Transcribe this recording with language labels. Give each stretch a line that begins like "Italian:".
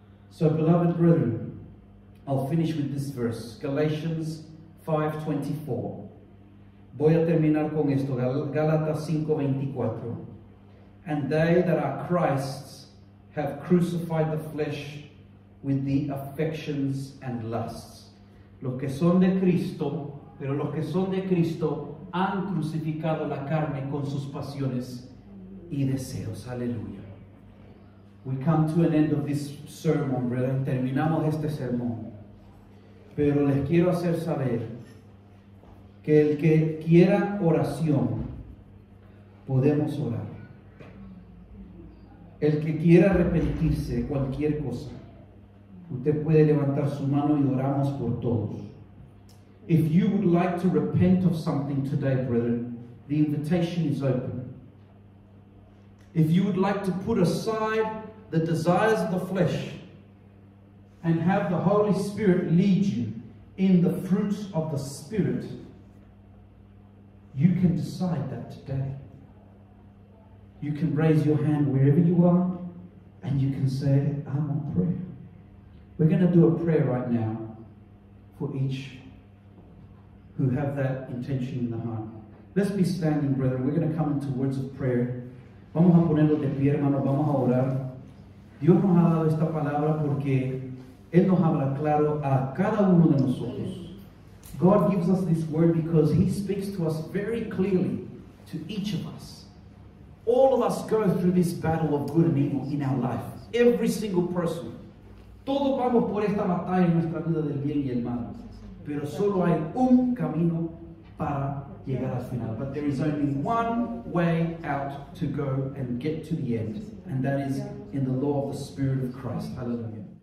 English: So, beloved brethren, I'll finish with this verse, Galatians 5:24.
Spanish: Voy a terminar con esto, Gálatas 5:24.
English: And they that are Christ's have crucified the flesh with the affections and lusts.
Spanish: Los que son de Cristo, pero los que son de Cristo han crucificado la carne con sus pasiones y deseos. Aleluya.
English: We come to an end of this sermon, brethren.
Spanish: Terminamos este sermón. Pero les quiero hacer saber que el que quiera oración, podemos orar. El que quiera arrepentirse de cualquier cosa, usted puede levantar su mano y oramos por todos.
English: If you would like to repent of something today, brethren, the invitation is open. If you would like to put aside the desires of the flesh and have the Holy Spirit lead you in the fruits of the Spirit, you can decide that today. You can raise your hand wherever you are, and you can say, I want prayer. We're going to do a prayer right now for each who have that intention in the heart. Let's be standing, brethren. We're going to come into words of prayer.
Spanish: Vamos a ponerlo de pie, hermano. Vamos a orar. Dios nos ha dado esta palabra porque Él nos habla claro a cada uno de nosotros.
English: God gives us this word because He speaks to us very clearly, to each of us. All of us go through this battle of good and evil in our life. Every single person.
Spanish: Todos vamos por esta batalla en nuestra vida del bien y el mal. Pero solo hay un camino para llegar al final.
English: But there is only one way out to go and get to the end, and that is in the law of the Spirit of Christ. Hallelujah.